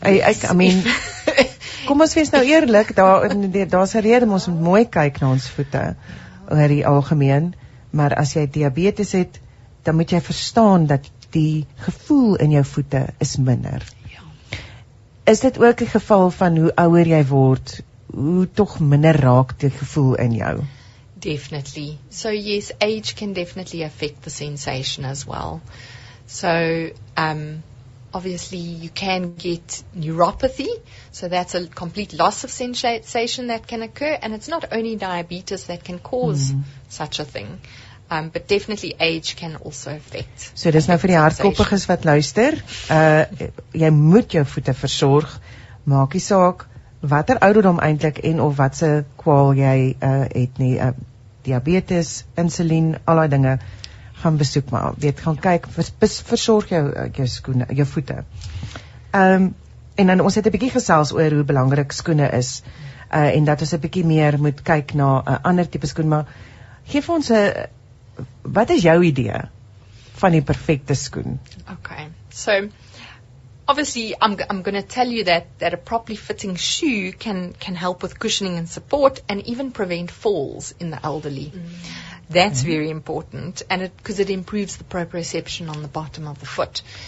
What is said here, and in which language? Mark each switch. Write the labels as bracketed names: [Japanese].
[English] I mean, [Afrikaans] kom ons wees nou eerlik, daar's 'n rede ons moet mooi kyk na ons voete oor die algemeen. Maar as jy diabetes het, dan moet jy verstaan dat die gevoel in jou voete is minder. Ja. Is dit ook 'n geval van hoe ouer jy word, hoe tog minder raak die gevoel in jou? [English] Definitely. So yes, age can definitely affect the sensation as well. So obviously you can get neuropathy, so that's a complete loss of sensation that can occur, and it's not only diabetes that can cause such a thing, but definitely age can also affect. So dis nou vir die hardkoppiges wat luister, jy moet jou voete versorg, maak nie saak watter ouderdom eintlik en of wat se kwaal jy het nie, diabetes, insulien, al daai dinge. Gaan besoek maar, weet, gaan kyk, versorg jou skoene, jou voete. En dan ons het 'n bietjie gesels oor hoe belangrik skoene is, en dat ons 'n bietjie meer moet kyk na 'n ander tipe skoen, maar geef ons 'n, wat is jou idee van die perfekte skoen? Okay, so obviously I'm going to tell you that a properly fitting shoe can help with cushioning and support and even prevent falls in the elderly. That's very important, and because it improves the proprioception on the bottom of the foot.